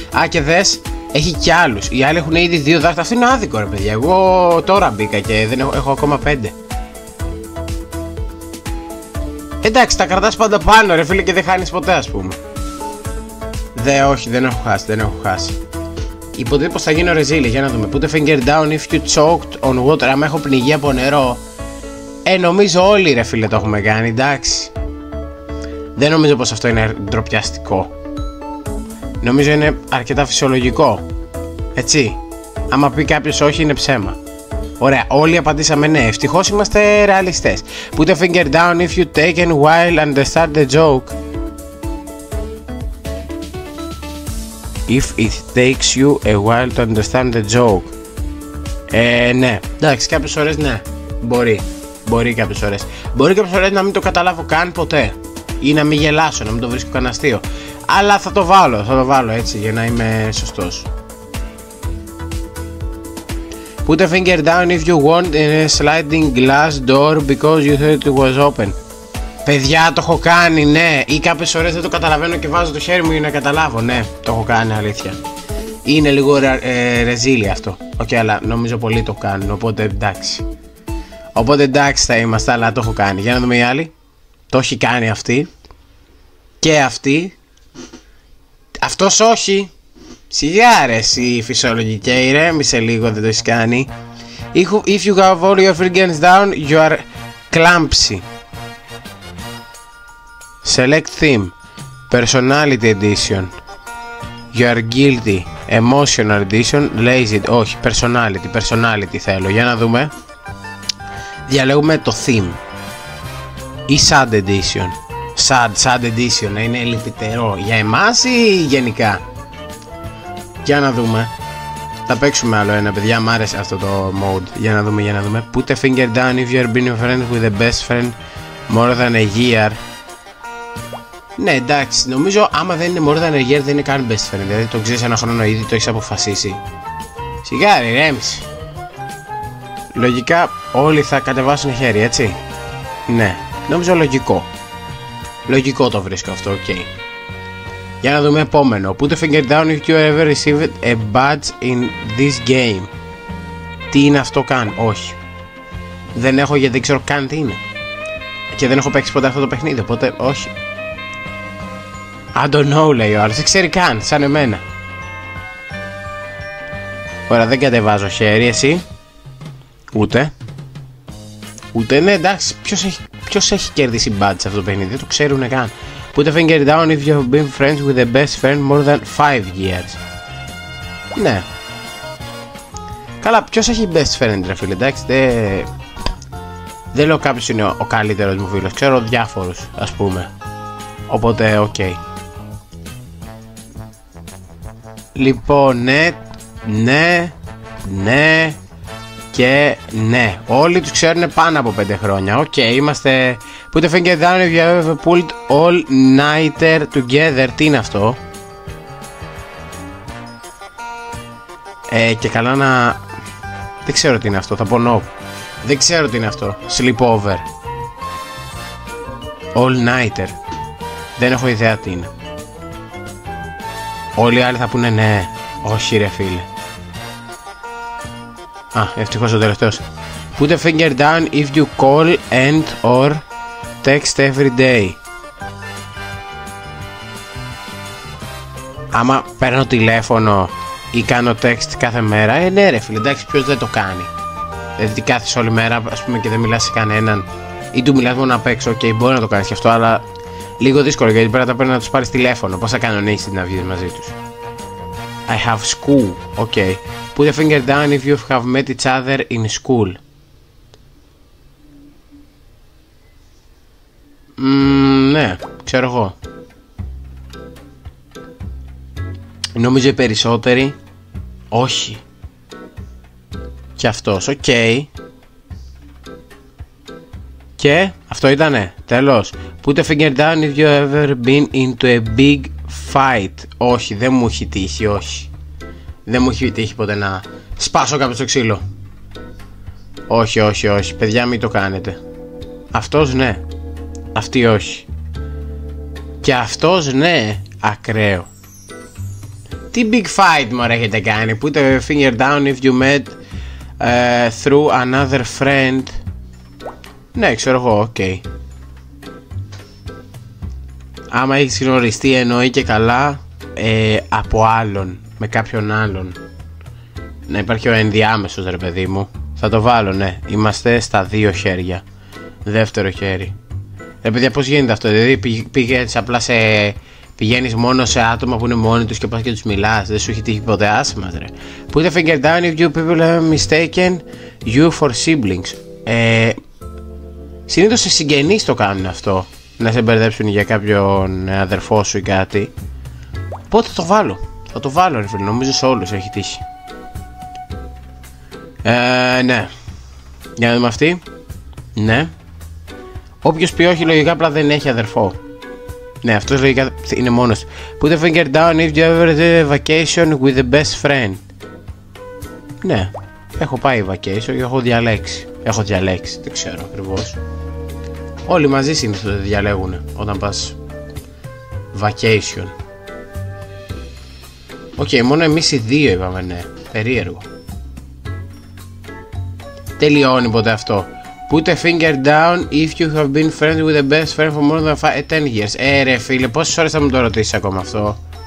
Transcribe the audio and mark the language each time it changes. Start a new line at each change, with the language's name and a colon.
Greek: Α, και δες, έχει κι άλλους. Οι άλλοι έχουν ήδη δύο δάχτυλα. Αυτό είναι άδικο, ρε παιδιά. Εγώ τώρα μπήκα και δεν έχω ακόμα πέντε. Εντάξει, τα κρατάς πάντα πάνω, ρε φίλε, και δεν χάνεις ποτέ, ας πούμε. Δε, όχι, δεν έχω χάσει, δεν έχω χάσει. Υποτίθεται πως θα γίνω ρεζίλι, για να δούμε.
English: Put a finger down if you choked on water.
Greek: Άμα έχω πνιγεί από νερό. Νομίζω όλοι, ρε φίλε, το έχουμε κάνει, εντάξει. Δεν νομίζω πως αυτό είναι ντροπιαστικό. Νομίζω είναι αρκετά φυσιολογικό. Έτσι. Άμα πει κάποιος όχι, είναι ψέμα. Ωραία, όλοι απαντήσαμε ναι. Ευτυχώς είμαστε ρεαλιστές.
English: Put a finger down if you take a while and start the joke. If it takes you a while to understand the joke.
Greek: Ναι. Εντάξει, κάποιες ώρες ναι. Μπορεί. Μπορεί κάποιες ώρες. Μπορεί κάποιες ώρες να μην το καταλάβω καν ποτέ. Ή να μην γελάσω, να μην το βρίσκω καν αστείο. Αλλά θα το βάλω. Θα το βάλω έτσι για να είμαι σωστός.
English: Put a finger down if you want in a sliding glass door because you thought it was open.
Greek: Παιδιά, το έχω κάνει, ναι. Ή κάποιες ώρες δεν το καταλαβαίνω και βάζω το χέρι μου για να καταλάβω. Ναι, το έχω κάνει, αλήθεια. Είναι λίγο ρεζίλι αυτό. Okay, αλλά νομίζω πολλοί το κάνουν, οπότε εντάξει. Οπότε εντάξει θα είμαστε, αλλά το έχω κάνει. Για να δούμε οι άλλοι. Το έχει κάνει αυτή. Και αυτή. Αυτός όχι. Σιγά ρε εσύ φυσιολογική, ηρέμησε λίγο, δεν το έχεις κάνει.
English: If you have all your fingers down, you are clumsy. Select theme, personality edition. You are guilty, emotional edition, lazy.
Greek: Όχι, personality θέλω, για να δούμε. Διαλέγουμε το theme. Ή sad edition. Sad edition, είναι λυπητερό για εμάς ή γενικά? Για να δούμε. Θα παίξουμε άλλο ένα, παιδιά. Μ' άρεσε αυτό το mode. Για να δούμε.
English: Put a finger down if you're being friends with a best friend more than a year.
Greek: Ναι, εντάξει, νομίζω άμα δεν είναι μωρή Δανεργέρ δεν είναι καν best friend. Δηλαδή το ξέρει ένα χρόνο ήδη, το έχει αποφασίσει. Σιγάρι, ρέμψη. Λογικά όλοι θα κατεβάσουν χέρι, έτσι. Ναι, νομίζω λογικό. Λογικό το βρίσκω αυτό, οκ. Okay. Για να δούμε επόμενο.
English: Put a finger down if you ever received a badge in this game.
Greek: Τι είναι αυτό καν, όχι. Δεν έχω, γιατί δεν ξέρω καν τι είναι. Και δεν έχω παίξει ποτέ αυτό το παιχνίδι, οπότε όχι.
English: I don't know,
Greek: λέει ο άλλος. Δεν ξέρει καν, σαν εμένα. Ωραία, δεν κατεβάζω χέρι, εσύ. Ούτε. Ούτε, ναι, εντάξει, ποιος έχει κερδίσει μπάτς σε αυτό το παιχνίδι, δεν το ξέρουν καν.
English: Put a finger down if you've been friends with the best friend more than 5 years.
Greek: Ναι. Καλά, ποιος έχει best friend, ρε φίλε, εντάξει, δεν λέω κάποιος είναι ο καλύτερος μου φίλος, ξέρω διάφορους, ας πούμε. Οπότε, οκ. Okay. Λοιπόν, ναι, ναι, ναι. Και ναι, όλοι τους ξέρουν πάνω από 5 χρόνια. Οκ, okay, είμαστε.
English: Put a finger down if you have pulled all nighter together.
Greek: Τι είναι αυτό? Και καλά να. Δεν ξέρω τι είναι αυτό, θα πω no. Δεν ξέρω τι είναι αυτό. Sleepover. All nighter. Δεν έχω ιδέα τι είναι. Όλοι οι άλλοι θα πούνε ναι. Όχι, ρε φίλε. Α, ευτυχώς ο τελευταίος.
English: Put a finger down if you call and or text every day.
Greek: Άμα παίρνω τηλέφωνο ή κάνω text κάθε μέρα, ναι ρε φίλε, εντάξει, ποιος δεν το κάνει. Δηλαδή κάθεις όλη μέρα, ας πούμε, και δεν μιλάς σε κανέναν ή του μιλάς μόνο απ' έξω, okay, μπορεί να το κάνεις και αυτό, αλλά λίγο δύσκολο, γιατί πρέπει να τους πάρεις τηλέφωνο. Πώς θα κανονίσεις να βγεις μαζί τους?
English: I have school, okay. Put a finger down if you have met each other in school.
Greek: Ναι, ξέρω εγώ. Νομίζω οι περισσότεροι. Όχι. Και αυτός, οκ. Okay. Και αυτό ήτανε, τέλος.
English: Put a finger down if you ever been into a big fight.
Greek: Όχι, δεν μου έχει τύχει, όχι. Δεν μου έχει τύχει ποτέ να σπάσω κάποιο το ξύλο. Όχι, όχι, όχι. Παιδιά, μην το κάνετε. Αυτός ναι. Αυτή όχι. Και αυτός ναι. Ακραίο. Τι big fight μωρέ έχετε κάνει?
English: Put a finger down if you met through another friend.
Greek: Ναι, ξέρω εγώ, ok. Άμα έχεις γνωριστεί, εννοεί και καλά από άλλον. Με κάποιον άλλον. Να υπάρχει ο ενδιάμεσος, ρε παιδί μου. Θα το βάλω, ναι. Είμαστε στα δύο χέρια. Δεύτερο χέρι. Ρε παιδιά, πώς γίνεται αυτό? Δηλαδή πήγες απλά σε. Πηγαίνεις μόνο σε άτομα που είναι μόνοι τους και πας και τους μιλάς. Δεν σου έχει τύχει ποτέ, άσημα, ρε.
English: Put a finger down if you people have mistaken you for siblings.
Greek: Συνήθως οι συγγενείς το κάνουν αυτό. Να σε μπερδέψουν για κάποιον αδερφό σου ή κάτι. Πότε το βάλω? Θα το βάλω, ρε φίλε, νομίζω σε όλους έχει τύχει. Ναι. Για να δούμε αυτή. Ναι. Όποιος πει όχι, λογικά απλά δεν έχει αδερφό. Ναι, αυτός λογικά είναι μόνος.
English: Put a finger down if you ever did a vacation with the best friend.
Greek: Ναι. Έχω πάει vacation και έχω διαλέξει. Έχω διαλέξει, δεν ξέρω ακριβώς. Όλοι μαζί συνήθως διαλέγουν όταν πας vacation. Οκ, okay, μόνο εμείς οι δύο είπαμε ναι. Περίεργο. Τελειώνει ποτέ αυτό.
English: Put a finger down if you have been friends with the best friend for more than 10 years.
Greek: Ρε φίλε, πόσες ώρες θα μου το ρωτήσεις ακόμα αυτό?